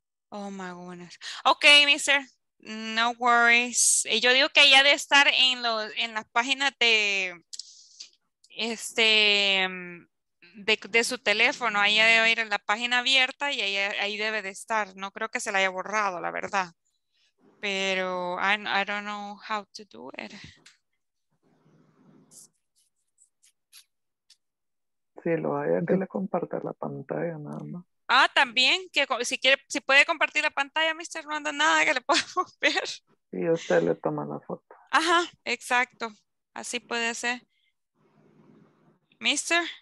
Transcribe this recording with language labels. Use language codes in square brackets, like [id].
[en] Oh, my goodness. Ok, mister. No worries. [es] Y yo digo que ya de estar en las páginas de... de su teléfono, ahí debe ir en la página abierta y ahí debe de estar. No creo que se la haya borrado, la verdad. [en] Pero I don't know how to do it. [es] Sí, lo hay que le comparte la pantalla, nada más. Ah, también, que si quiere, si puede compartir la pantalla, mister, no anda nada que le podamos ver. Y usted le toma la foto. Ajá, exacto. Así puede ser. Mister.